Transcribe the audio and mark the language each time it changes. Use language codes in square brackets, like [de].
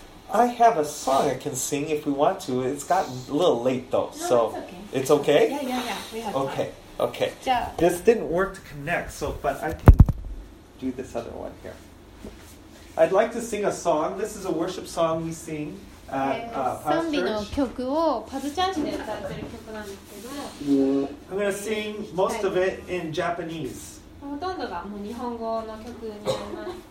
[en] I have a song I can sing if we want to. It's gotten a little late though. No, okay. It's okay? Yeah. Okay. [ja] じゃあ。 [en] This didn't work to connect, but I can do this other one here. I'd like to sing a song. This is a worship song we sing. [ja] 賛美の曲をパズチャンジで歌ってる曲なんですけど、 [en] I'm gonna sing most of it in Japanese. [ja] ほとんどがもう日本語の曲になります